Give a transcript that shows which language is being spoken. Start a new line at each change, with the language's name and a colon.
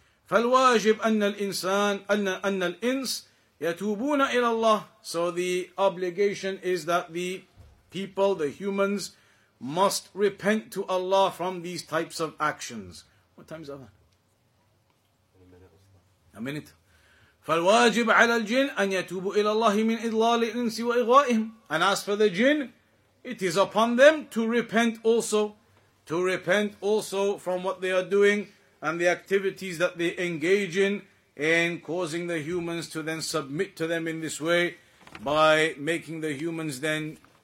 Arabic: فَالْوَاجِبْ أَنَّ الْإِنسَانَ أَنَّ الْإِنسِ يَتُوبُونَ إِلَى اللَّهِ.
English: So the obligation is that the people, the humans, must repent to Allah from these types of actions. What time is that? A minute.
Arabic: فالواجب على الجن أن يتوبوا إلى الله من إضلال الإنس وإغوائهم.
English: And as for the jinn, it is upon them to repent also. To repent also from what they are doing and the activities that they engage in causing the humans to then submit to them in this way by making the humans then